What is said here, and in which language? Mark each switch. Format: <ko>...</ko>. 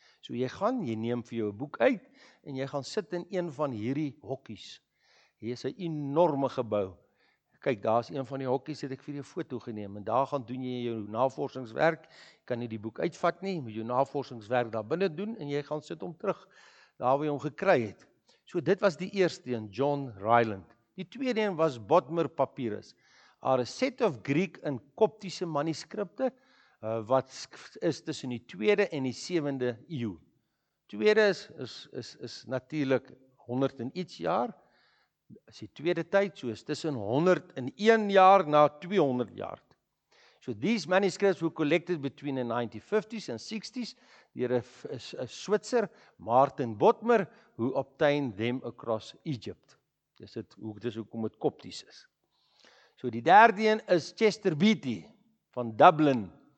<af>So jy gaan, jy neem vir jou 'n boek uit en jy gaan sit in een van hierdie hokkies. Hier is 'n enorme gebou. Kyk, daar is een van die hokkies, het ek vir jou foto geneem en daar gaan doen jy jou navorsingswerk. Kan nie die boek uitvat nie, moet jou navorsingswerk daar binne doen en jy gaan sit om terug daar waar jy hom gekry het. So dit was die eerste een, John Ryland. Die tweede een was Bodmer Papyrus.</af> <en>Are a set of Greek</en> <af>en Koptiese manuskripte wat is tussen die 2de en die 7de eeu. Tweede is natuurlik 100 en iets jaar. As die tweede tyd, so is tussen 101 jaar na 200 jaar.</af> <en>So these manuscripts were collected between the 1950s and 60s</en> <af>deur 'n Switser,</af> <en>Martin Bodmer, who obtained them across Egypt.</en> <af>Dis dit hoe dis hoekom dit Kopties is. So die derde een is Chester Beatty van Dublin.</af>